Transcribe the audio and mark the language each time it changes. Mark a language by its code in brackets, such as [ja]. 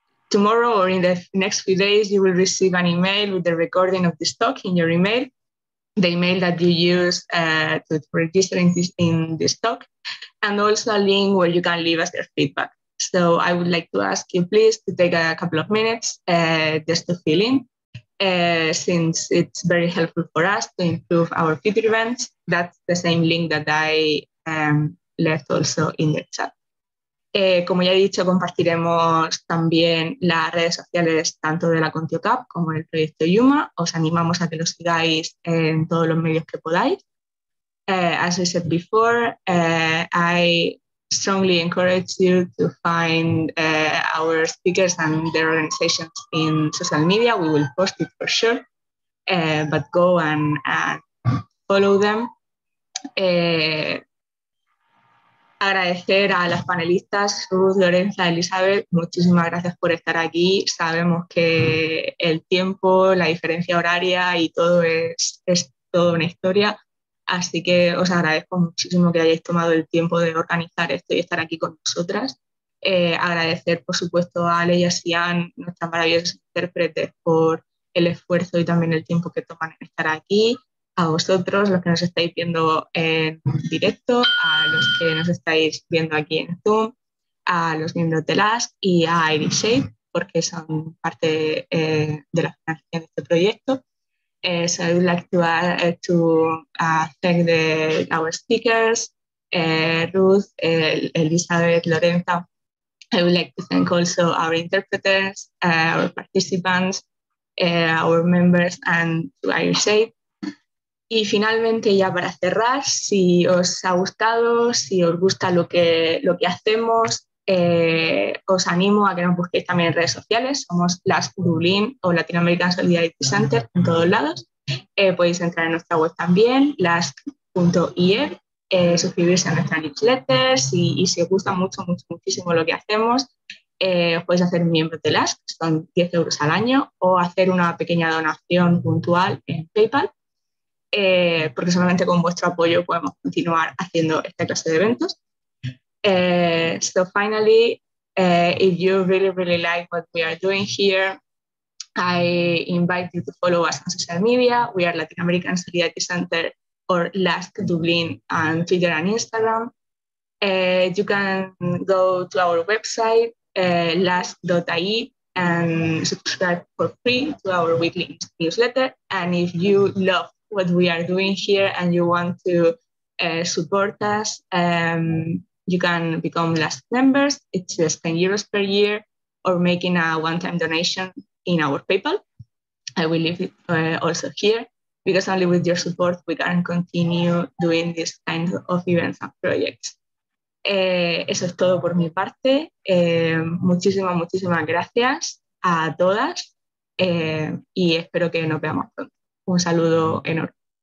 [en] Tomorrow or in the next few days, you will receive an email with the recording of this talk in your email, the email that you use to register in this talk, and also a link where you can leave us your feedback. So I would like to ask you please to take a couple of minutes just to fill in, since it's very helpful for us to improve our future events. That's the same link that I left also in the chat. [es] Como ya he dicho, compartiremos también las redes sociales tanto de la ContioCup como del proyecto Yuma. Os animamos a que lo sigáis en todos los medios que podáis. [en] As I said before, I strongly encourage you to find our speakers and their organizations in social media. We will post it for sure, but go and follow them. [es] Agradecer a las panelistas, Ruth, Lorenza, Elizabeth, muchísimas gracias por estar aquí. Sabemos que el tiempo, la diferencia horaria y todo es toda una historia, así que os agradezco muchísimo que hayáis tomado el tiempo de organizar esto y estar aquí con nosotras. Agradecer, por supuesto, a Ale y a Sian, nuestras maravillosas intérpretes, por el esfuerzo y también el tiempo que toman en estar aquí. A vosotros, los que nos estáis viendo en directo, a los que nos estáis viendo aquí en Zoom, a los miembros de LASC y a Edishape, porque son parte de la financiación de este proyecto. [en] So I would like to thank our speakers, Ruth, Elizabeth, Lorenza. I would like to thank also our interpreters, our participants, our members, and to Edishape. [es] Y finalmente, ya para cerrar, si os ha gustado, si os gusta lo que hacemos, os animo a que nos busquéis también en redes sociales. Somos LASC Dublín o Latin American Solidarity Center en todos lados. Podéis entrar en nuestra web también, LASC.ie, suscribirse a nuestra newsletter, y si os gusta mucho, mucho, muchísimo lo que hacemos, os podéis hacer miembros de LASC, son 10 euros al año, o hacer una pequeña donación puntual en PayPal. Porque solamente con vuestro apoyo podemos continuar haciendo esta clase de eventos. [en] So finally, if you really, really like what we are doing here, I invite you to follow us on social media. We are Latin American Solidarity Center or LASC Dublin on Twitter and Instagram. You can go to our website, LASC.ie, and subscribe for free to our weekly newsletter. And if you love what we are doing here and you want to support us, you can become LASC members. It's just 10 euros per year, or making a one-time donation in our PayPal. I will leave it also here, because only with your support we can continue doing this kind of events and projects. [es] Eso es todo por mi parte. Muchísimas, muchísimas gracias a todas, y espero que nos veamos pronto. Un saludo enorme.